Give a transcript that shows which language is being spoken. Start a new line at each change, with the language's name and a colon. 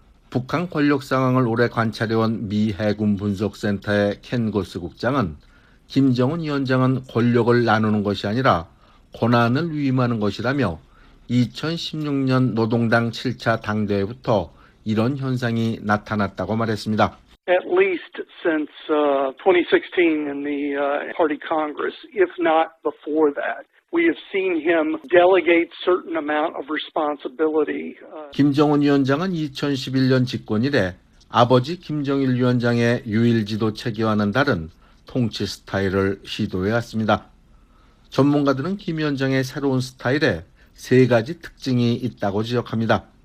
Korean: 북한 권력 상황을 오래 관찰해온 미 해군 분석센터의 켄 고스 국장은 김정은 위원장은 권력을 나누는 것이 아니라 권한을 위임하는 것이라며 2016년 노동당 7차 당대회부터 이런 현상이 나타났다고 말했습니다.
English: At least since 2016 in the party congress, if not before that. We have seen him delegate certain amount of responsibility.
Korean: 김정은 위원장은 2011년 집권 이래 아버지 김정일 위원장의 유일 지도 체계와는 다른 통치 스타일을 시도해 왔습니다. 전문가들은 김 위원장의 새로운 스타일에 세 가지 특징이 있다고 지적합니다.